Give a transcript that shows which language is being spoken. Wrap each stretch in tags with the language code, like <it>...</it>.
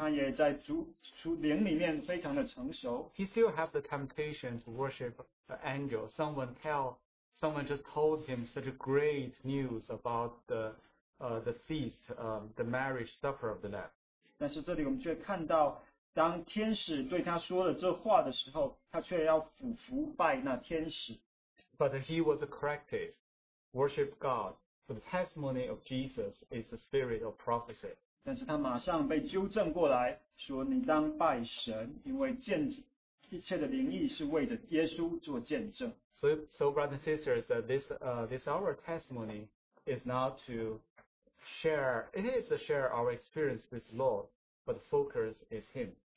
<zh>这里我们看到使徒约翰,他当时是年长,他也在灵里面非常的成熟。</zh> <en>He still has the temptation to worship an angel. Someone just told him such a great news about the feast, the marriage supper of the Lamb.</en> <zh>但是这里我们却看到, 当天使对他说了这话的时候, 他却要俯伏拜那天使。</zh> <en>But he was corrected. Worship God, for the testimony of Jesus is the spirit of prophecy.</en> <zh>但是他马上被纠正过来, 说你当拜神, 因为见证,</zh> <en>so brothers and sisters, this our testimony is not to share, it is to share our experience with the Lord, but the focus is Him.</en>